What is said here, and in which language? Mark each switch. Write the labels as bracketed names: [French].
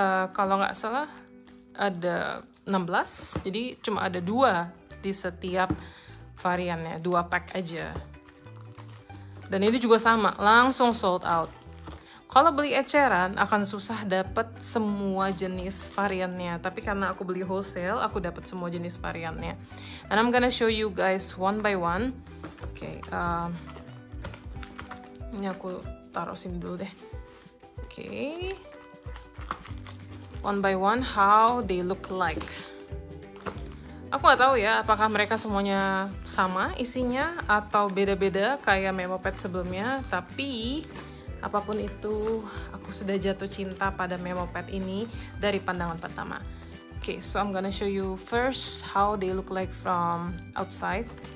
[Indonesian] Kalau nggak salah ada 16, jadi cuma ada 2 di setiap variannya, 2 pack aja. Dan ini juga sama, langsung sold out. Kalau beli eceran akan susah dapat semua jenis variannya, tapi karena aku beli wholesale, aku dapat semua jenis variannya. [English] And I'm gonna show you guys one by one. [Indonesian] Okay, ini aku taruh sini dulu deh. Okay. [English] One by one, how they look like. [Indonesian] Aku gak tahu ya, apakah mereka semuanya sama isinya atau beda-beda kayak memo pad sebelumnya. Tapi apapun itu, aku sudah jatuh cinta pada memo pad ini dari pandangan pertama. [English] Okay, so I'm gonna show you first how they look like from outside.